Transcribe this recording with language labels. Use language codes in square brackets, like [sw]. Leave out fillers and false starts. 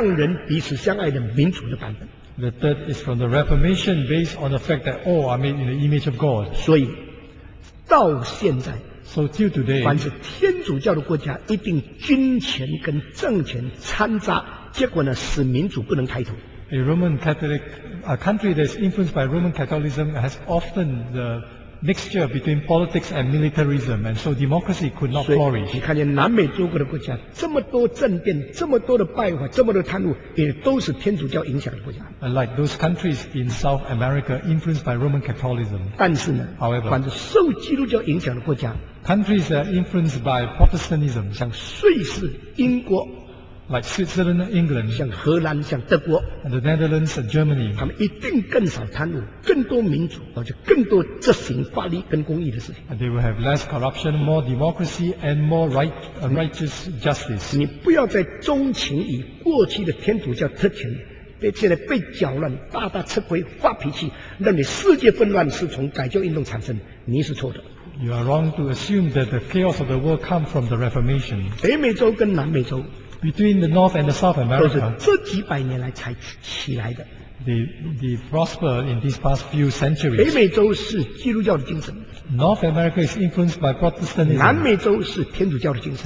[zh] 第三种版本是改革宗或者复原教从圣经找到了神按自己形象样式造人给人一个有向神负责任向人彼此相爱的民主的版本。 [en] The third is from the Reformation, based on the fact that all are made in the image of God. [zh] 所以到现在, [en] so till today, [zh] 凡是天主教的国家一定金钱跟政权掺杂, 结果呢, 使民主不能抬头。 [en] A Roman Catholic, a country that is influenced by Roman Catholicism has often the mixture between politics and militarism, and so democracy could not flourish. [zh] 你看见南美洲国的国家, 这么多政变, 这么多的败坏, 这么多贪污, 也都是天主教影响的国家。 [en] Unlike those countries in South America influenced by Roman Catholicism. [zh] 但是呢, [en] however, [zh] 反正受基督教影响的国家, [en] countries that are influenced by Protestantism, [zh] 像瑞士, 英国, [en] like Switzerland, England, [zh] 像荷兰, 像德国, [en] and the Netherlands and Germany, [zh] 他们一定更少贪污, 更多民主, 而且更多执行法律跟公义的事情。 [en] They will have less corruption, more democracy, and more righteous justice. [zh] 你不要再钟情于过去的天主教特权, 现在被搅乱, 大大吃亏, 发脾气, 让你世界纷乱, 是从改教运动产生, 你是错的。 [en] You are wrong to assume that the chaos of the world comes from the Reformation. [zh] 北美洲跟南美洲, [en] between the North and the South America, [zh] 都是这几百年来才起来的, [en] they prosper in these past few centuries. [zh] 北美洲是基督教的精神, [en] North America is influenced by Protestantism. [zh] 南美洲是天主教的精神,